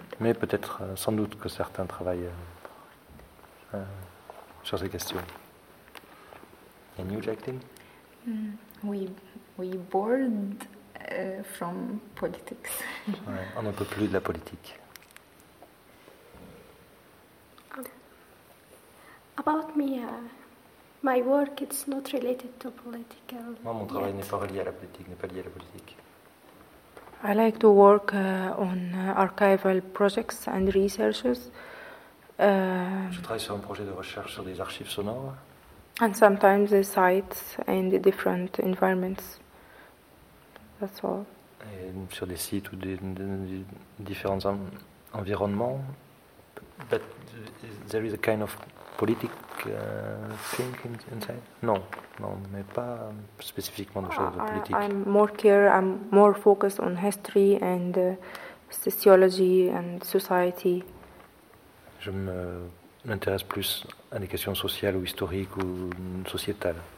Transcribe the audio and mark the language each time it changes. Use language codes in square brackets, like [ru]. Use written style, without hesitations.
[fr] Mais peut-être, sans doute, que certains travaillent. Sur ces questions. [en] And you, [fr] Jacqueline? [en] We bored from politics. [fr] Ouais, on n'en peut plus de la politique. [en] About me, my work is not related to political. [fr] Moi, mon travail n'est pas relié à la politique, n'est pas lié à la politique. [en] I like to work on archival projects and researches. [fr] Je travaille sur un projet de recherche sur des archives sonores. [en] And sometimes the sites in the different environments. That's all. [fr] Et sur des sites ou des différents environnements. [en] But there is a kind of politic thing inside. [fr] Non, mais pas spécifiquement de choses politiques. [en] I'm more focused on history and sociology and society. [fr] Je m'intéresse plus à des questions sociales ou historiques ou sociétales.